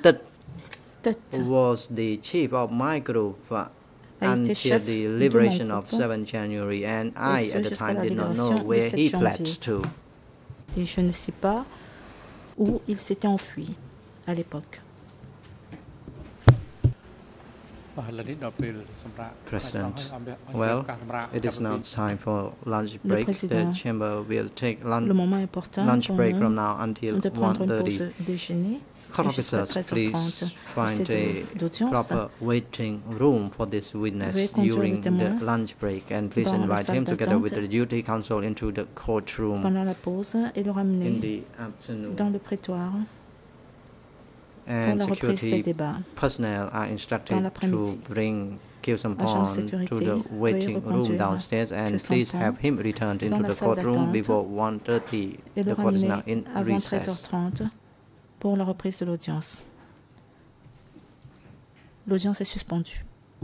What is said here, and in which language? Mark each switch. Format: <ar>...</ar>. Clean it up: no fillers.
<en>Tut was the chief of my group until the liberation of 7 January. And I, at the time, did not know where he fled to.</en> <fr>Et je ne sais pas où il s'était enfui à l'époque.</fr> <en>President, well, it is now time for lunch break. The chamber will take lunch break from now until 1:30. Officers, please find a proper waiting room for this witness during the lunch break, and please invite him together with the duty counsel into the courtroom in the afternoon.</en> <fr>Dans le prétoire.</fr> <en>And security personnel are instructed to bring Kyu Sampon to the waiting room downstairs, and please have him returned into the courtroom before 1:30. The court is now in recess.</en> <fr>Pour la reprise de l'audience. L'audience est suspendue.</fr>